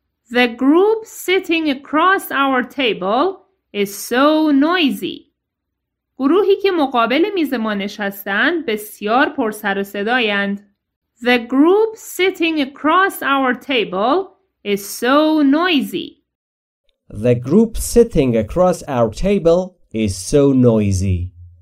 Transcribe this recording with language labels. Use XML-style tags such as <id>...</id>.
<en>The group sitting across our table is so noisy.</en> <fa>گروهی که مقابل میز ما نشستند بسیار پر سر و صدایند.</fa> <en>The group sitting across our table is so noisy. The group sitting across our table is so noisy.</en>